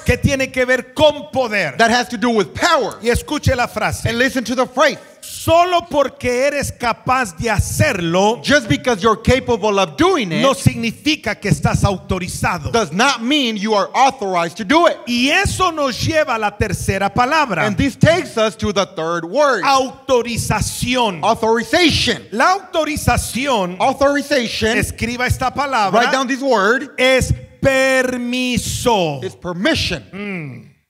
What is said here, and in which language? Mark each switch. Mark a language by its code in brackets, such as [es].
[es] Que tiene que ver con poder. [en] That has to do with power. [es] Y escuche la frase. [en] And listen to the phrase. [es] Solo porque eres capaz de hacerlo, [en] just because you're capable of doing it, [es] no significa que estás autorizado. [en] Does not mean you are authorized to do it. [es] Y eso nos lleva a la tercera palabra. [en] And this takes us to the third word. [es] Autorización. [en] Authorization. [es] La autorización. [en] Authorization. [es] Escriba esta palabra. [en] Write down this word. [es] Es permiso. [en] It's permission.